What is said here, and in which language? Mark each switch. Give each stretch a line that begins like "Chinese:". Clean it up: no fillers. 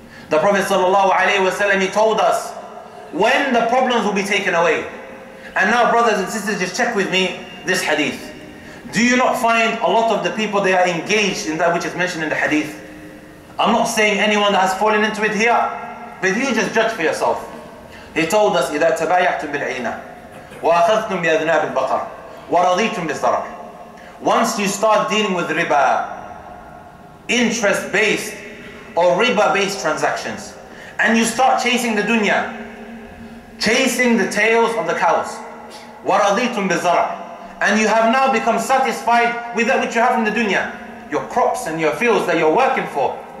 English: The Prophet sallallahu alayhi wa sallam, he told us, when the problems will be taken away. And now, brothers and sisters, just check with me this hadith. Do you not find a lot of the people, they are engaged in that which is mentioned in the hadith? I'm not saying anyone that has fallen into it here, but you just judge for yourself. He told us,
Arabic: إِذَا تَبَايَعْتُمْ بِالْعِينَ وَأَخَذْتُمْ بِأَذْنَابِ الْبَقَرِ وَرَضِيتُمْ بِالْضَرَرِ.
English: Once you start dealing with riba, interest-based or riba-based transactions, and you start chasing the dunya, chasing the tails of the cows,
Arabic: وَرَضِيتُمْ بِالْضَرَرِ,
English: and you have now become satisfied with that which you have in the dunya, your crops and your fields that you're working for.